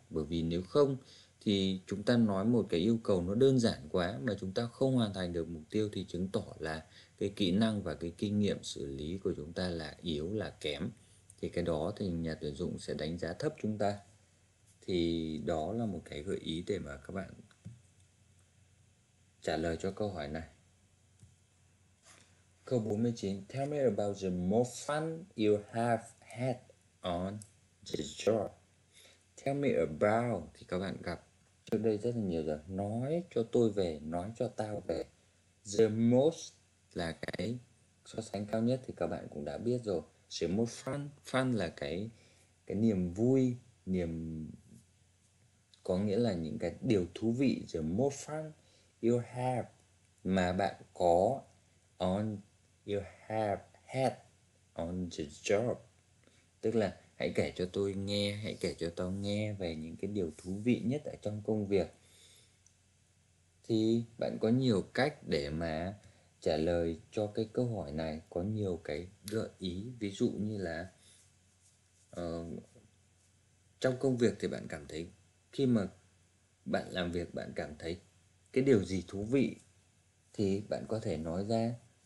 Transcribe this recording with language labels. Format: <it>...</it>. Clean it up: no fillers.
<vi>Bởi vì nếu không thì chúng ta nói một cái yêu cầu nó đơn giản quá mà chúng ta không hoàn thành được mục tiêu thì chứng tỏ là cái kỹ năng và cái kinh nghiệm xử lý của chúng ta là yếu, là kém. Thì cái đó thì nhà tuyển dụng sẽ đánh giá thấp chúng ta. Thì đó là một cái gợi ý để mà các bạn trả lời cho câu hỏi này. Câu 49,</vi> <en>tell me about the most fun you have had on the job. Tell me about,</en> <vi>thì các bạn gặp trước đây rất là nhiều rồi. Nói cho tôi về, nói cho tao về.</vi> <en>The most</en> <vi>là cái so sánh cao nhất thì các bạn cũng đã biết rồi.</vi> <en>The most fun,</en> <vi>fun là cái niềm vui, niềm, có nghĩa là những cái điều thú vị.</vi> <en>The most fun you have,</en> <vi>mà bạn có</vi> <en>on, you have had on the job.</en> <vi>Tức là hãy kể cho tôi nghe, hãy kể cho tao nghe về những cái điều thú vị nhất ở trong công việc. Thì bạn có nhiều cách để mà trả lời cho cái câu hỏi này, có nhiều cái gợi ý. Ví dụ như là trong công việc thì bạn cảm thấy, khi mà bạn làm việc bạn cảm thấy cái điều gì thú vị thì bạn có thể nói ra.</vi>